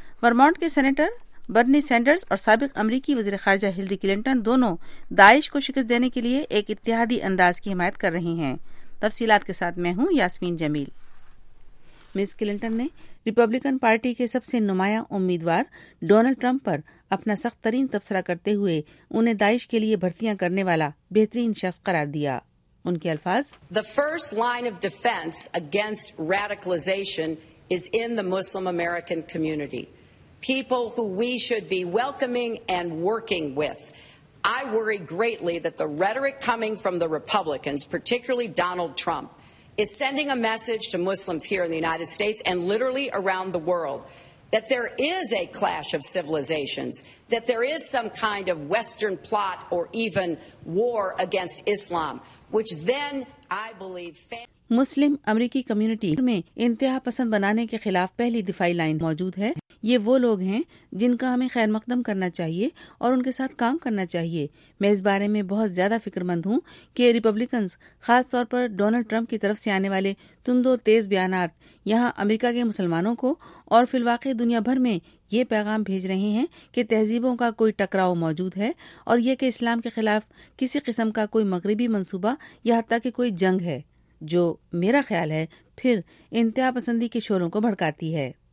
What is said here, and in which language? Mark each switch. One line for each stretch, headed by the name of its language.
Urdu: Vermont کے senator برنی senders اور سابق امریکی وزیر خارجہ ہلری کلنٹن دونوں داعش کو شکست دینے کے لیے ایک اتحادی انداز کی حمایت کر رہے ہیں. تفصیلات کے ساتھ میں ہوں یاسمین جمیل. مس کلنٹن نے ریپبلکن پارٹی کے سب سے نمایاں امیدوار ڈونلڈ ٹرمپ پر اپنا سخت ترین تبصرہ کرتے ہوئے انہیں داعش کے لیے بھرتیاں کرنے والا بہترین شخص قرار دیا. ان کے الفاظ،
English: The first line of defense against radicalization is in the Muslim American community. People who we should be welcoming and working with. I worry greatly that the rhetoric coming from the Republicans, particularly Donald Trump, is sending a message to Muslims here in the United States and literally around the world that there is a clash of civilizations, that there is some kind of Western plot or even war against Islam, which then I believe
Urdu: مسلم امریکی community میں انتہا پسند بنانے کے خلاف پہلی دفاعی line موجود ہے. یہ وہ لوگ ہیں جن کا ہمیں خیر مقدم کرنا چاہیے اور ان کے ساتھ کام کرنا چاہیے. میں اس بارے میں بہت زیادہ فکر مند ہوں کہ ریپبلکنز، خاص طور پر ڈونلڈ ٹرمپ کی طرف سے آنے والے تندو تیز بیانات یہاں امریکہ کے مسلمانوں کو اور فی الواقع دنیا بھر میں یہ پیغام بھیج رہے ہیں کہ تہذیبوں کا کوئی ٹکراؤ موجود ہے اور یہ کہ اسلام کے خلاف کسی قسم کا کوئی مغربی منصوبہ یا حتیٰ کہ کوئی جنگ ہے، جو میرا خیال ہے پھر انتہا پسندی کے شعلوں کو بھڑکاتی ہے.